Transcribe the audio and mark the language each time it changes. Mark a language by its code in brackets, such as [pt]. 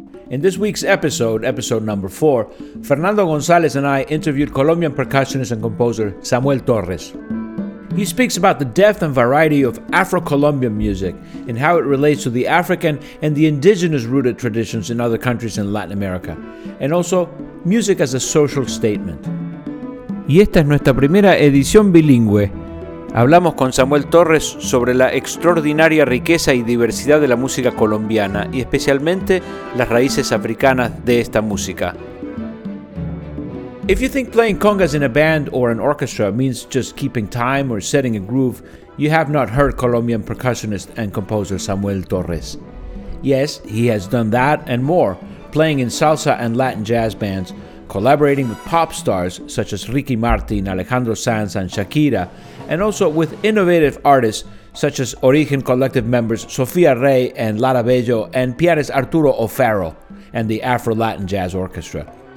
[en] In this week's episode number 4, Fernando González and I interviewed Colombian percussionist and composer Samuel Torres. He speaks about the depth and variety of Afro-Colombian music and how it relates to the African and the indigenous rooted traditions in other countries in Latin America, and also music as a social statement. [es] Y esta es nuestra primera edición bilingüe. Hablamos con Samuel Torres sobre la extraordinaria riqueza y diversidad de la música colombiana y especialmente las raíces africanas de esta música. [en] If you think playing congas in a band or an orchestra means just keeping time or setting a groove, you have not heard Colombian percussionist and composer Samuel Torres. Yes, he has done that and more, playing in salsa and Latin jazz bands, collaborating with pop stars such as Ricky Martin, Alejandro Sanz, and Shakira, and also with innovative artists such as Origen Collective members Sofia Rey and Lara Bello, and pianist Arturo O'Farrell, and the Afro-Latin Jazz Orchestra.